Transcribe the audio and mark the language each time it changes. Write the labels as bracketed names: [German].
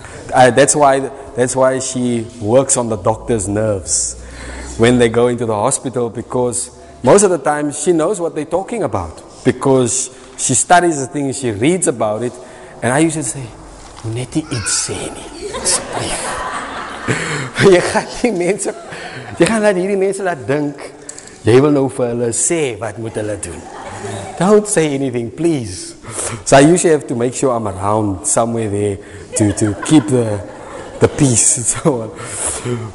[English] That's why she works on the doctor's nerves when they go into the hospital, because most of the time she knows what they're talking about because she studies the thing, she reads about it. And I used to say, "Netty, it's seni." [Afrikaans] Jy gaan die mense, jy gaan laat hierdie mense laat dink, jy wil nou vir hulle sê wat moet hulle doen. [English] Don't say anything, please. So I usually have to make sure I'm around somewhere there to keep the peace and so on.